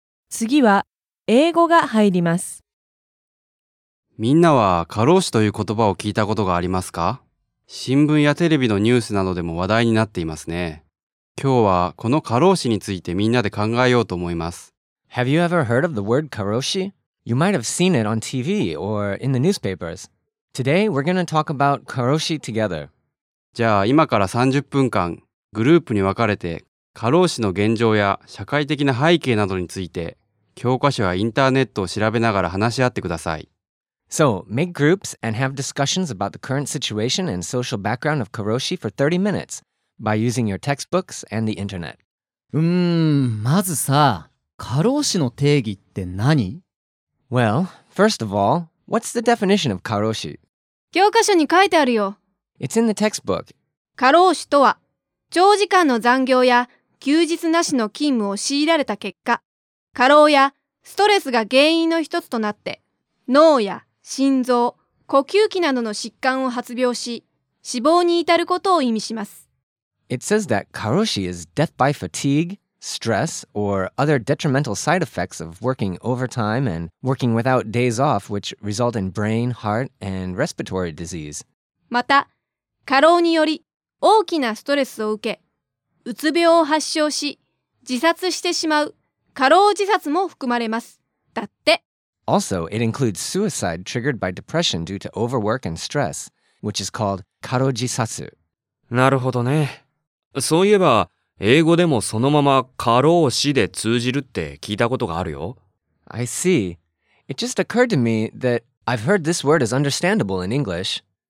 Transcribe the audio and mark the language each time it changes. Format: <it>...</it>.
<ja>次は英語が入ります。みんなは過労死という言葉を聞いたことがありますか？新聞やテレビのニュースなどでも話題になっていますね。今日はこの過労死についてみんなで考えようと思います。</ja> <en>Have you ever heard of the word 過労死? You might have seen it on TV or in the newspapers. Today we're going to talk about 過労死 together.</en> <ja>じゃあ今から30分間グループに分かれて過労死の現状や社会的な背景などについて教科書やインターネットを調べながら話し合ってください。</ja> <en>So, make groups and have discussions about the current situation and social background of 過労死 for 30 minutes by using your textbooks and the internet.</en> <ja>まずさ、過労死の定義って何？</ja> <en>Well, first of all, what's the definition of 過労死?</en> <ja>教科書に書いてあるよ。</ja> <en>It's in the textbook.</en> <ja>過労死とは長時間の残業や休日なしの勤務を強いられた結果、過労やストレスが原因の一つとなって脳や心臓、呼吸器などの疾患を発病し、死亡に至ることを意味します。</ja> <en>It says that karoshi is death by fatigue, stress, or other detrimental side effects of working overtime and working without days off, which result in brain, heart, and respiratory disease.</en> <ja>また、過労により大きなストレスを受け、うつ病を発症し、自殺してしまう過労自殺も含まれます。だって。</ja> <en>Also, it includes suicide triggered by depression due to overwork and stress, which is called 過労自殺。</en> <ja>なるほどね。そういえば、英語でもそのまま過労死で通じるって聞いたことがあるよ。</ja> <en>I see. It just occurred to me that I've heard this word is understandable in English.</en>